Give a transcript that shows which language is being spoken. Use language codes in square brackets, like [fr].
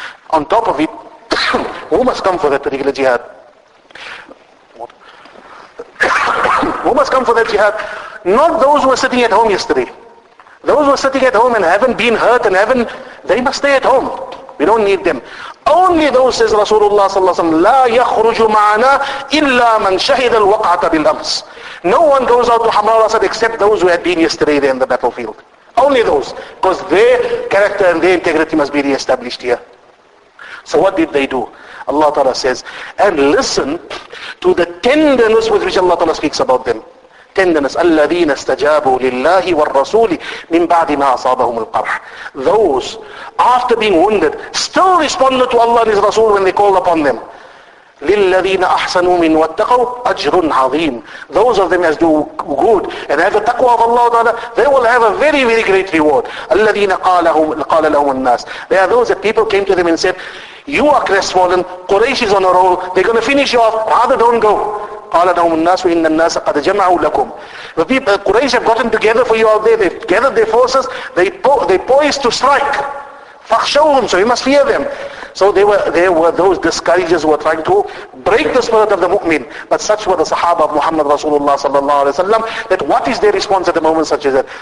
[en] On top of it, who must come for that particular jihad? Who must come for that jihad? Not those who were sitting at home yesterday. Those who are sitting at home and haven't been hurt and haven't, they must stay at home. We don't need them. Only those, says Rasulullah sallallahu alaihi wasallam, [ar] لا يخرج معنا إلا من شهد الوقعة بالأمس. [en] No one goes out to Hamra al-Asad except those who had been yesterday there in the battlefield. Only those. Because their character and their integrity must be re-established here. So what did they do? Allah Ta'ala says, and listen to the tenderness with which Allah Ta'ala speaks about them. Tenderness. [ar] الذين استجابوا لله والرسول من بعد ما أصابهم القرح. [en] Those, after being wounded, still responded to Allah and His Rasul when they called upon them. [ar] للذين أحسنوا من واتقوا أجر عظيم. [en] Those of them as do good and have the taqwa of Allah Ta'ala, they will have a very, very great reward. [ar] الذين قال لهم الناس. [en] They are those that people came to them and said, you are crestfallen, Quraysh is on a roll, they're going to finish you off, rather don't go. [ar] قال لهم الناس إن الناس قد جمعوا لكم. [en] The people, Quraysh have gotten together for you out there, they've gathered their forces, they poised to strike. [ar] فخشوهم, [en] so you must fear them. So there were those discouragers who were trying to break the spirit of the mu'min. But such were the sahaba of Muhammad Rasulullah sallallahu alayhi wa sallam, that what is their response at the moment such as that?